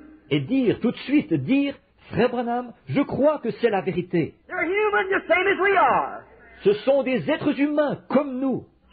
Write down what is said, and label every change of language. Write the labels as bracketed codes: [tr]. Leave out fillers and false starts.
[fr] Et dire tout de suite, dire, Frère Branham, je crois que c'est la vérité. [en] They're human, the same as we are. [fr] Ce sont des êtres humains comme nous.